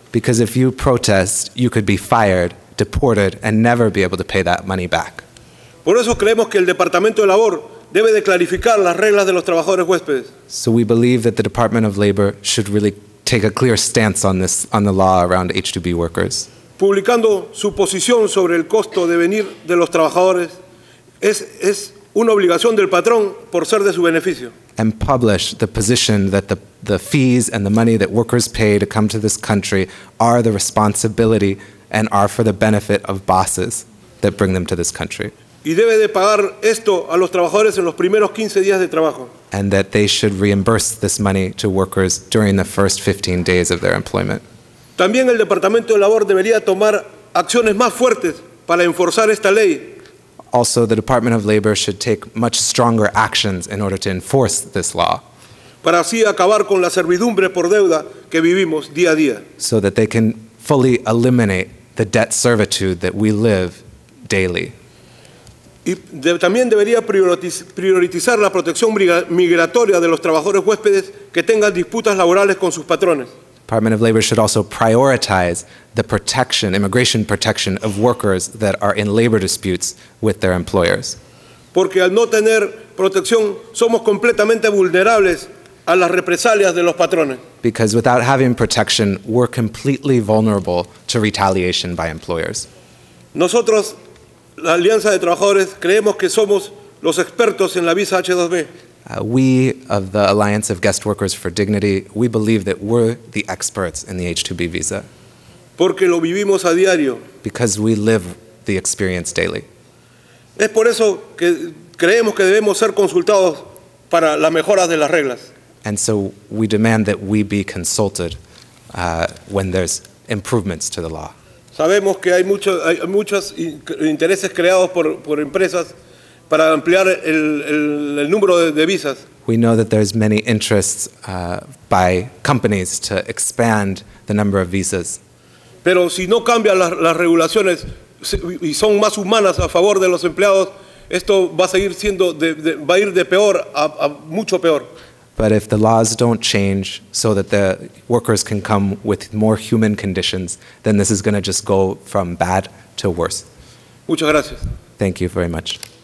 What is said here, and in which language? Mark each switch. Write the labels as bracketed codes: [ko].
[en] Because if you protest, you could be fired, deported, and never be able to pay that money back. [es] Por eso creemos que el Departamento de Labor debe de clarificar las reglas de los trabajadores huéspedes. [en] So we believe that the Department of Labor should really take a clear stance on this, on the law around H2B workers. [es] Publicando su posición sobre el costo de venir de los trabajadores es una obligación del patrón por ser de su beneficio. [en] And publish the position that the fees and the money that workers pay to come to this country are the responsibility and are for the benefit of bosses that bring them to this country. [es] Y debe de pagar esto a los trabajadores en los primeros 15 días de trabajo. [en] And that they should reimburse this money to workers during the first 15 days of their employment. [es] También el Departamento de Labor debería tomar acciones más fuertes para enforzar esta ley. [en] Also, the Department of Labor should take much stronger actions in order to enforce this law. [es] Para así acabar con la servidumbre por deuda que vivimos día a día. [en] So that they can fully eliminate the debt servitude that we live daily. [es] Y también debería priorizar la protección migratoria de los trabajadores huéspedes que tengan disputas laborales con sus patrones. [en] Department of Labor should also prioritize the protection, immigration protection of workers that are in labor disputes with their employers. [es] Porque al no tener protección, somos completamente vulnerables a las represalias de los patrones. [en] Because without having protection, we're completely vulnerable to retaliation by employers. [es] Nosotros, la Alianza de Trabajadores, creemos que somos los expertos en la visa H2B. [en] We of the Alliance of Guest Workers for Dignity, we believe that we're the experts in the H2B visa. [es] Porque lo vivimos a diario. [en] Because we live the experience daily. [es] Es por eso que creemos que debemos ser consultados para las mejoras de las reglas. [en] And so we demand that we be consulted when there's improvements to the law. [es] Sabemos que hay muchos intereses creados por empresas para ampliar el número de visas. [en] We know that there's many interests by companies to expand the number of visas. [es] Pero si no cambian las regulaciones y son más humanas a favor de los empleados, esto va a seguir siendo va a ir de peor a mucho peor. [en] But if the laws don't change so that the workers can come with more human conditions, then this is going to just go from bad to worse. [es] Muchas gracias. [en] Thank you very much.